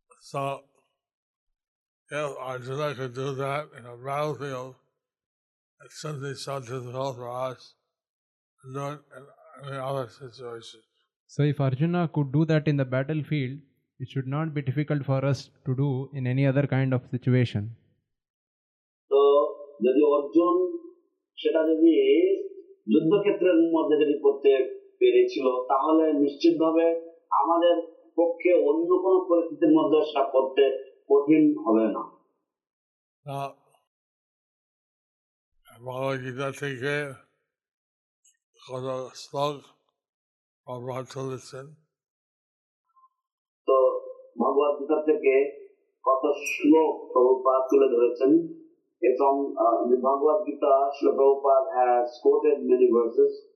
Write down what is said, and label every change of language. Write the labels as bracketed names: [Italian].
[English] So, if Arjuna could do that in a battlefield, it shouldn't be so difficult for us to do it in any other situation. So, if Arjuna could do that in the battlefield, it should not be difficult for us to do in any other kind of situation. So, if Arjuna [Bangla] সেটা যদি যুদ্ধক্ষেত্রের মধ্যে যদি করতে পেরেছিল তাহলে নিশ্চিতভাবে আমাদের পক্ষে অন্য কোন পরিস্থিতির মধ্যে সেটা করতে কঠিন হবে না। ভগবদ গীতা থেকে কত শ্লোক ব্যবহার চলেছেন, তো ভগবদ গীতা থেকে কত শ্লোক প্রভুপাদ তুলে ধরেছেন, [English] it's on the Bhagavad Gita, Srila Prabhupada has quoted many verses.